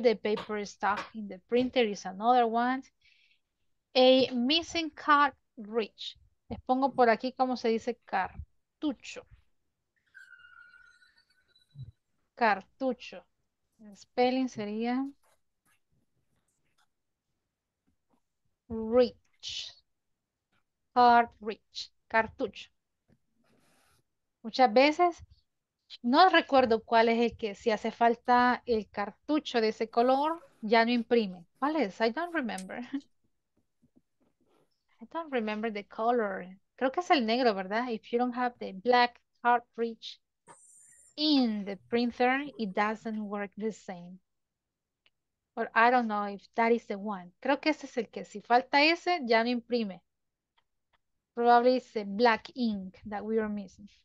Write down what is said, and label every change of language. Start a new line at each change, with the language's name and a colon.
English: The paper stuck in the printer is another one. A missing cartridge.
Spanish: Les pongo por aquí cómo se dice cartucho.
English: Cartucho. The spelling sería rich. Cartridge, cartucho.
Spanish: Muchas veces no recuerdo cuál es el que, si hace falta el cartucho de ese color, ya no imprime. ¿Cuál es?
English: I don't remember the color.
Spanish: Creo que es el negro, ¿verdad?
English: If you don't have the black cartridge in the printer, it doesn't work the same. But I don't know if that is the one.
Spanish: Creo que ese es el que, si falta ese, ya no imprime.
English: Probably it's a black ink that we are missing.